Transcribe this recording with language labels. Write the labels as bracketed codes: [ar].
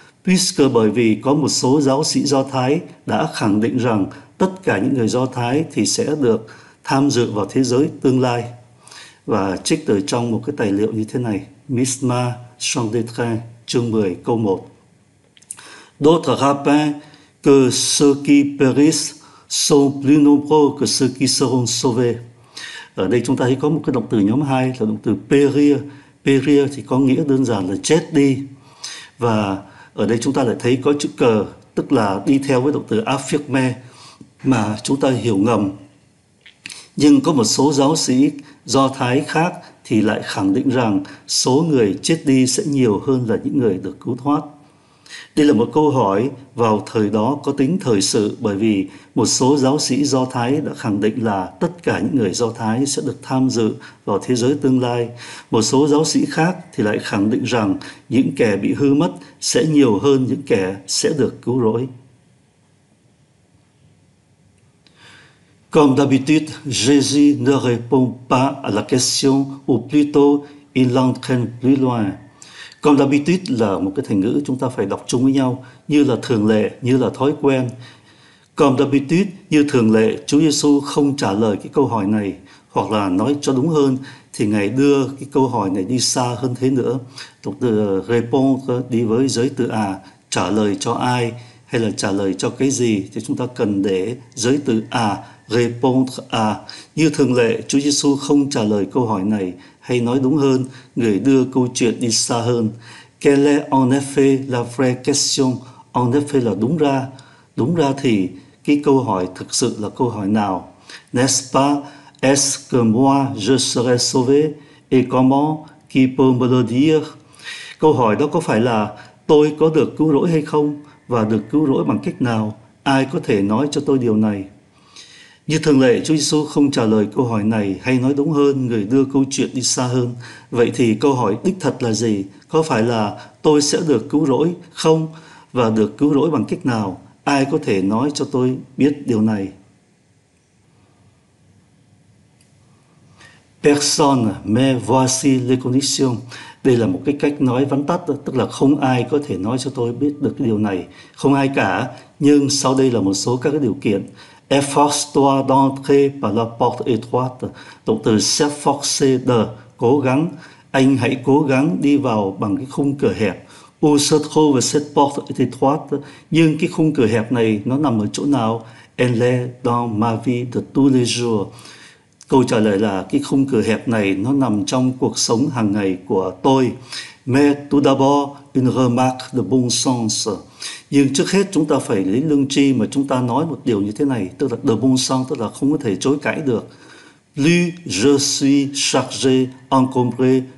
[fr] Puisque, [vi] bởi vì có một số giáo sĩ Do Thái đã khẳng định rằng tất cả những người Do Thái thì sẽ được tham dự vào thế giới tương lai. Và trích từ trong một cái tài liệu như thế này, Misma Chandetrain, chương 10, câu 1. [fr] D'autres rabbins que ceux qui périssent sont plus nombreux que ceux qui seront sauvés. [vi] Ở đây chúng ta thấy có một cái động từ nhóm 2 là động từ périr. Périr thì có nghĩa đơn giản là chết đi. Và ở đây chúng ta lại thấy có chữ cờ, tức là đi theo với động từ affirmer mà chúng ta hiểu ngầm. Nhưng có một số giáo sĩ Do Thái khác thì lại khẳng định rằng số người chết đi sẽ nhiều hơn là những người được cứu thoát. Đây là một câu hỏi vào thời đó có tính thời sự, bởi vì một số giáo sĩ Do Thái đã khẳng định là tất cả những người Do Thái sẽ được tham dự vào thế giới tương lai. Một số giáo sĩ khác thì lại khẳng định rằng những kẻ bị hư mất sẽ nhiều hơn những kẻ sẽ được cứu rỗi. [fr] Comme d'habitude, Jésus ne répond pas à la question, ou plutôt, il l'entraîne plus loin. Comme d'habitude [vi] là một cái thành ngữ chúng ta phải đọc chung với nhau, như là thường lệ, như là thói quen. [fr] Comme d'habitude, [vi] như thường lệ, Chúa Giêsu không trả lời cái câu hỏi này, hoặc là nói cho đúng hơn thì Ngài đưa cái câu hỏi này đi xa hơn thế nữa. Động từ répondre đi với giới từ à, trả lời cho ai hay là trả lời cho cái gì thì chúng ta cần để giới từ à, répondre à. Như thường lệ, Chúa Giêsu không trả lời câu hỏi này, hay nói đúng hơn, người đưa câu chuyện đi xa hơn. [fr] Quelle en effet la vraie question? En effet [vi] là đúng ra. Đúng ra thì cái câu hỏi thực sự là câu hỏi nào? [fr] N'est-ce pas? Est-ce que moi je serai sauvé? Et comment? Qui peut me le dire? [vi] Câu hỏi đó có phải là tôi có được cứu rỗi hay không? Và được cứu rỗi bằng cách nào? Ai có thể nói cho tôi điều này? Như thường lệ, Chúa Giêsu không trả lời câu hỏi này, hay nói đúng hơn, người đưa câu chuyện đi xa hơn. Vậy thì câu hỏi đích thật là gì? Có phải là tôi sẽ được cứu rỗi không? Và được cứu rỗi bằng cách nào? Ai có thể nói cho tôi biết điều này? [fr] Personne, mais voici les conditions. [vi] Đây là một cái cách nói vắn tắt, tức là không ai có thể nói cho tôi biết được cái điều này. Không ai cả, nhưng sau đây là một số các cái điều kiện. [fr] Efforce-toi d'entrer par la porte étroite. [vi] Động từ s'efforcer de, cố gắng. Anh hãy cố gắng đi vào bằng cái khung cửa hẹp. [fr] Où se trouve cette porte étroite? [vi] Nhưng cái khung cửa hẹp này nó nằm ở chỗ nào? [fr] Elle est dans ma vie de tous les jours. [vi] Câu trả lời là cái khung cửa hẹp này nó nằm trong cuộc sống hàng ngày của tôi. [fr] Mais tout d'abord, une remarque de bon sens. [vi] Nhưng trước hết chúng ta phải lấy lương tri mà chúng ta nói một điều như thế này, tức là [fr] de bon sens, [vi] tức là không có thể chối cãi được. [fr] Plus je suis chargé, encombré,